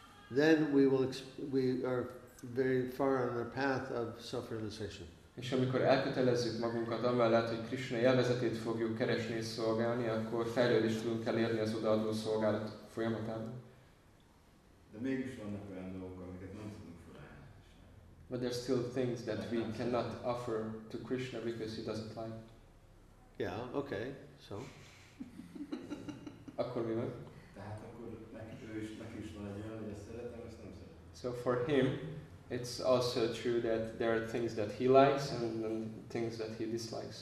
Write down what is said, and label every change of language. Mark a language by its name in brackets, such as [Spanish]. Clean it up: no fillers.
[English] Then we are very far on the path of self-realization. [Hungarian] És amikor elkötelezzük magunkat amellett, hogy Krishna élvezetét fogjuk keresni és szolgálni, akkor fejlődést tudunk elérni az odaadó szolgálat folyamatában. De mégis vannak olyan dolgok, amiket nem tudunk felállni. [English] But there are still things that we cannot offer to Krishna because he doesn't like. Yeah, okay, so. [Hungarian] Akkor mi van? Tehát akkor neki is van egy olyan, hogy ezt szeretem, ezt nem szeretem. [English] So for him, it's also true that there are things that he likes and things that he dislikes.